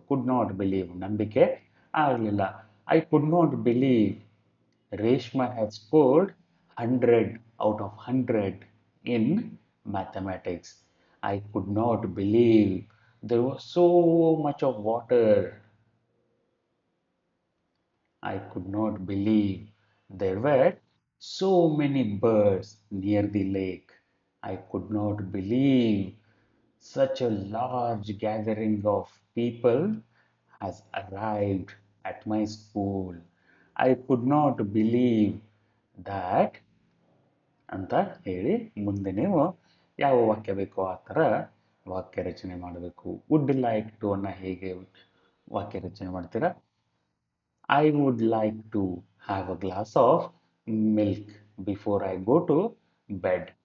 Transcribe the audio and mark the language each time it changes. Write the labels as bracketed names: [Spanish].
[English] could not believe, [Kannada] ನಂಬಿಕೆ ಆಗಲಿಲ್ಲ. [English] I could not believe Reshma has scored 100 out of 100 in mathematics. I could not believe there was so much of water. I could not believe there were so many birds near the lake. I could not believe such a large gathering of people has arrived at my school. I could not believe that [Kannada] ಅಂತ ಹೇಳಿ ಮುಂದೆ ನೀವು ಯಾವ ವಾಕ್ಯ ಬೇಕೋ ಆ ಥರ ವಾಕ್ಯ ರಚನೆ ಮಾಡಬೇಕು. ವುಡ್ ಲೈಕ್ ಟು ಅನ್ನ ಹೇಗೆ ವಾಕ್ಯ ರಚನೆ ಮಾಡ್ತೀರಾ? [English] I would like to have a glass of milk before I go to bed.